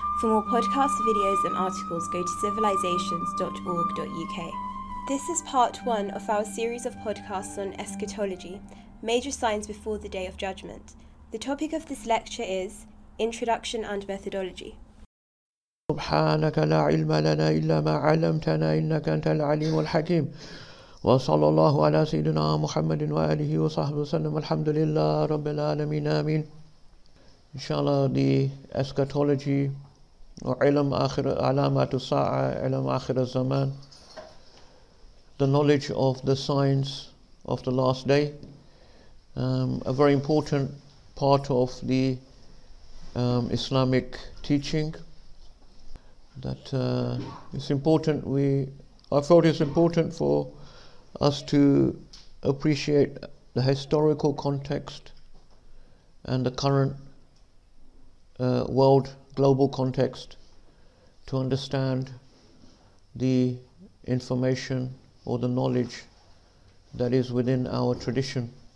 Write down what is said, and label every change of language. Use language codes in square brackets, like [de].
[en] For more podcasts, videos and articles, go to civilizations.org.uk. This is part one of our series of podcasts on eschatology, major signs before the Day of Judgment. The topic of this lecture is Introduction and Methodology. [ar] سبحانك لا علم لنا إلا ما علمتنا إنك أنت العليم الحكيم وصلى الله على سيدنا محمد وآله وصحبه وسلم الحمد لله رب العالمين آمين [en] Inshallah, the eschatology or [ar] علم آخر علامات الساعة علم آخر الزمان, [en] the knowledge of the signs of the last day, a very important part of the Islamic teaching. That it's important. I felt it's important for us to appreciate the historical context and the current world global context to understand the information or the knowledge that is within our tradition.